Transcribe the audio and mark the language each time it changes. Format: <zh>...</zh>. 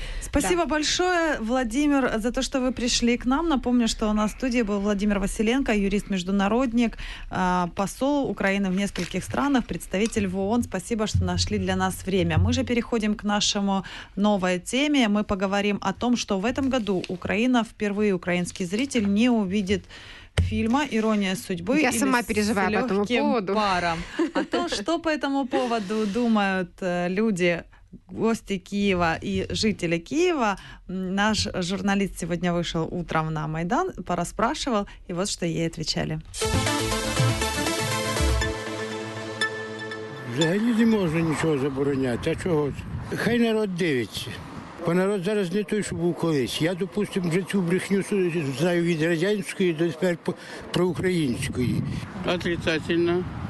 <ru>Спасибо большое, Владимир, за то,</ru> <uk>що ви прийшли</uk> <ru>к нам. Напомню,</ru> <uk>що у нас в студії був Владимир Василенко, юрист-міжнародник, посол України</uk> <ru>в нескольких странах, представитель в ООН. Спасибо,</ru> <uk>що знайшли для нас время. Ми вже переходимо к нашому новій темі. Ми поговоримо</uk> <ru>о том, що в этом году Украина впервые, украинский зритель, не увидит фильма «Ирония судьбы». Я сама переживаю по этому поводу. Паром. А то, что по этому поводу думают люди, гости Киева и жители Киева, наш журналист сегодня вышел утром на Майдан, пораспрашивал, и вот что ей отвечали.</ru> <uk>взагалі не можна нічого забороняти. А чого? Хай народ дивиться. Бо народ зараз не той, що був колись. Я, допустимо, вже цю брехню знаю від радянської до тепер проукраїнської.</uk> <ru>Отрицательно.</ru>